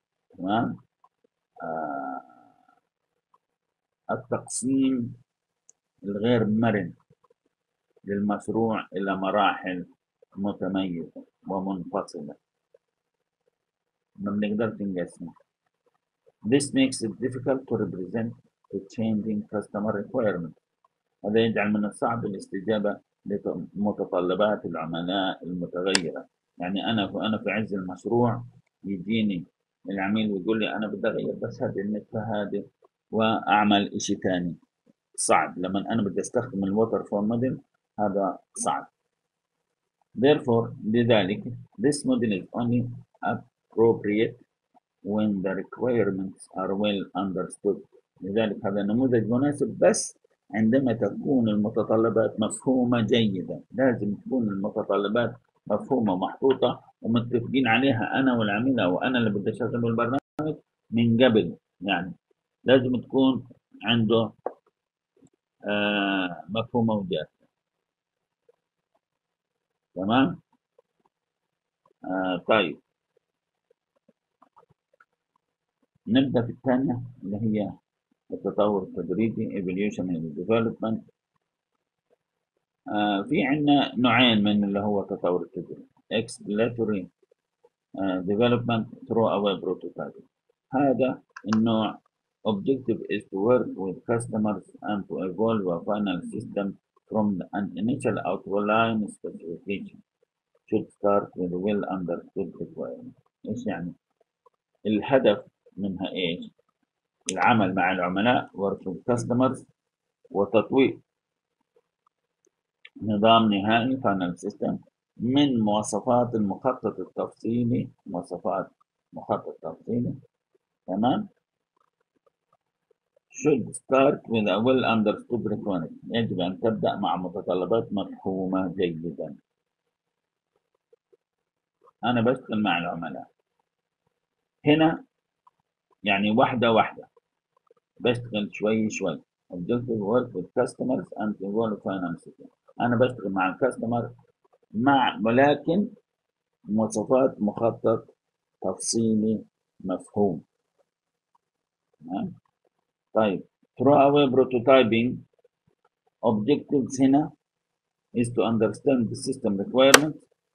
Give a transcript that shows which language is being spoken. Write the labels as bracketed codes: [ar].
[ar] تمام، التقسيم الغير مرن للمشروع إلى مراحل متميزة ومنفصلة ما بنقدر نقسمه. [en] This makes it difficult to represent the changing customer requirement. [ar] هذا يجعل من الصعب الاستجابة لمتطلبات العملاء المتغيرة. يعني أنا في عز المشروع يجيني العميل ويقول لي أنا بدي أغير بس هذه النقطة هذه وأعمل إشي تاني، صعب. لما أنا بدي أستخدم الووتر فول موديل هذا صعب. [en] Therefore [ar] لذلك [en] this model is only appropriate when the requirements are well understood. [ar] لذلك هذا النموذج مناسب بس عندما تكون المتطلبات مفهومة جيدا. لازم تكون المتطلبات مفهومة ومحطوطة ومتفقين عليها أنا والعميل أو أنا اللي بدي أشغل البرنامج من قبل. يعني لازم تكون عنده مفهومة وجاهزة. تمام؟ طيب نبدأ في الثانية اللي هي التطور التدريجي Evolution and Development. في عنا نوعين من اللي هو التطور التدريجي [en] Exploratory Development through our prototype. [ar] هذا النوع [en] Objective is to work with customers and to evolve a final system from an initial outline specification. should start with well understood requirements. [ar] إيش يعني؟ الهدف منها إيش؟ العمل مع العملاء [en] work with customers [ar] وتطوير نظام نهائي final system من مواصفات المخطط التفصيلي، مواصفات مخطط تفصيلي. تمام؟ [en] should start with a well understood requirement، [ar] يجب أن تبدأ مع متطلبات مفهومة جيدا. أنا بشتغل مع العملاء هنا، يعني واحدة واحدة بشتغل شوي شوي. [en] Objective work with customers and involve finance. [ar] أنا بشتغل مع الكاستمر مع ولكن مواصفات مخطط تفصيلي مفهوم. تمام؟ طيب [en] through our prototyping objectives [ar] هنا [en] is to understand the system requirements.